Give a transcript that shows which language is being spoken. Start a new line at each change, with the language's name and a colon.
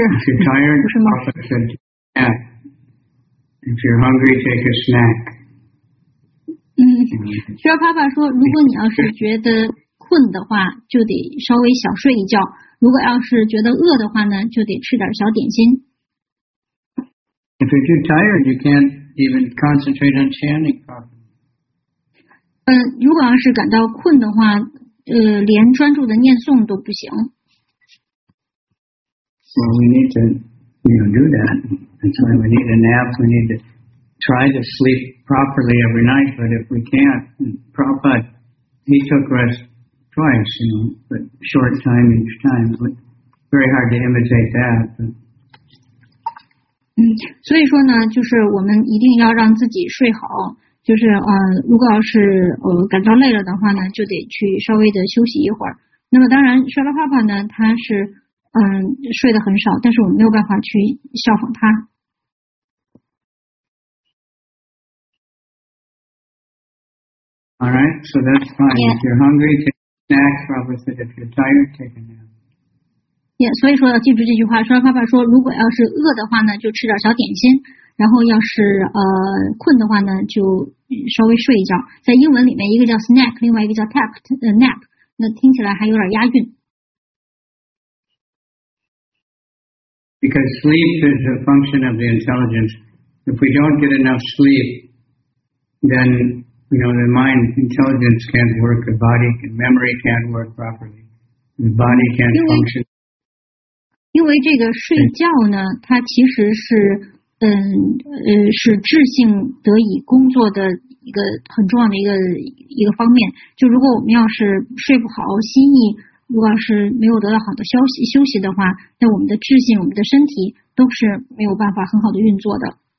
English: If you're tired, take a nap. If you're hungry, take a snack.
Chinese: 需要爸爸说，如果你要是觉得困的话，就得稍微小睡一觉；如果要是觉得饿的话呢，就得吃点小点心。
English: If you're tired, you can't even concentrate on chanting.
Chinese: 如果要是感到困的话，连专注的念诵都不行。
English: Well, we need to, you know, do that. That's why we need a nap. We need to try to sleep. properly every night, but if we can't, Prabhupada, he took rest twice, you know, but short time each time. But very hard to imitate that.
Chinese: 所以说呢，就是我们一定要让自己睡好，就是如果要是感到累了的话呢，就得去稍微的休息一会儿。那么当然，沙拉帕帕呢，他是睡得很少，但是我们没有办法去效仿他。
English: All right, so that's fine. Yeah. If you're hungry, take a snack. Prabhupada, if you're tired, take a nap.
Chinese: Yeah, 所以说要记住这句话。说爸爸说，如果要是饿的话呢，就吃点小点心；然后要是困的话呢，就稍微睡一觉。在英文里面，一个叫 snack， 另外一个叫 tap， nap。那听起来还有点押韵。
English: Because sleep is a function of the intelligence. If we don't get enough sleep, then you know, the mind intelligence can't work, the body and memory can't work properly, the body can't function.
Chinese: 因为这个睡觉呢，它其实是是智性得以工作的一个很重要的一个方面。就如果我们要是睡不好，心意如果是没有得到好的休息的话，那我们的智性、我们的身体都是没有办法很好的运作的。